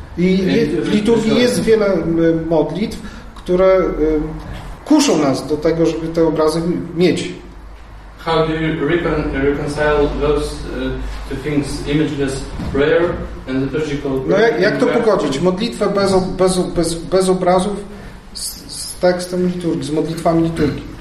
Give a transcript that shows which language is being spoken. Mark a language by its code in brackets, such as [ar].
[pl] I w liturgii jest wiele modlitw, które kuszą nas do tego, żeby te obrazy mieć. [en] How do you reconcile those two things, imageless prayer and liturgical prayer? [pl] No jak to pogodzić? Modlitwę bez obrazów z tekstem liturgii, z modlitwami liturgii.